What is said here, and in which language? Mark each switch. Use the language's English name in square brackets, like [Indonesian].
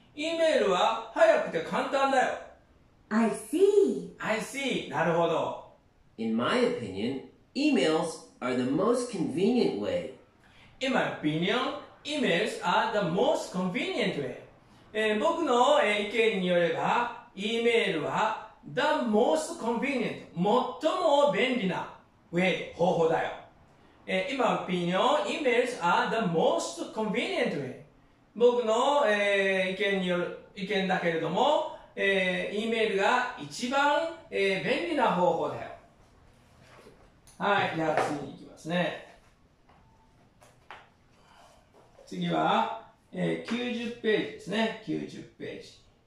[Japanese] E メールは早くて簡単だよ。 [English] I see. [Japanese] なるほど。 [English] In my opinion, emails are the most convenient way. In my opinion, emails are the most convenient way. [Japanese] 僕の意見によれば、E メールは [English] the most convenient, [Japanese] 最も便利な way, 方法だよ。 [English] In my opinion, emails are the most convenient way. [Japanese] 僕の意見だけれども、E メールが一番便利な方法だよ。はい、じゃあ次に行きますね。次は、90ページですね。90ページ。